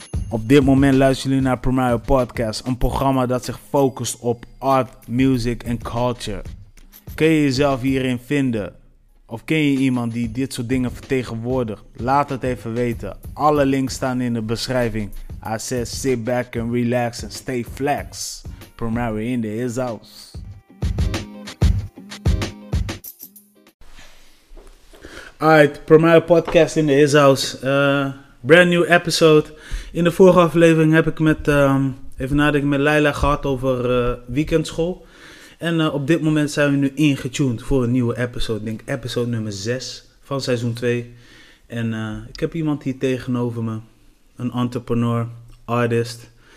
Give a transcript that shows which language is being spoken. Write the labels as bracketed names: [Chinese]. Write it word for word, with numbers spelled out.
[Dutch] Op dit moment luisteren jullie naar Primario Podcast, een programma dat zich focust op art, music en culture. Kun je jezelf hierin vinden? Of ken je iemand die dit soort dingen vertegenwoordigt? Laat het even weten. Alle links staan in de beschrijving. [English] I said sit back and relax and stay flex. Primario in the his house. Alright, Primario Podcast in the his house. Uh, brand new episode. [Dutch] In de vorige aflevering heb ik met, um, even nadenken, met Leila gehad over uh, weekendschool. En uh, op dit moment zijn we nu ingetuned voor een nieuwe episode. Ik denk episode nummer zes van seizoen twee. En uh, ik heb iemand hier tegenover me. Een entrepreneur, artist.